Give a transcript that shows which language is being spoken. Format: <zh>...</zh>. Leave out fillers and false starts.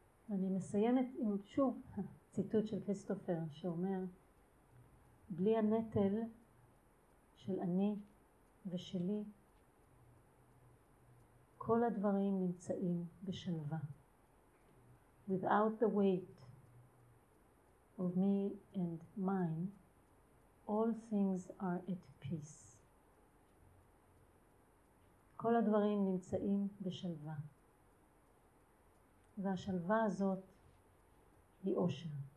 <he>אני מסיימת עם שוב ציטוט של קריסטופר שאומר, בלי הנטל של אני ושלי, כל הדברים נמצאים בשלווה.</he> <en>Without the weight of me and mine, all things are at peace.</en> <he>כל הדברים נמצאים בשלווה. והשלווה הזאת היא אושר.</he>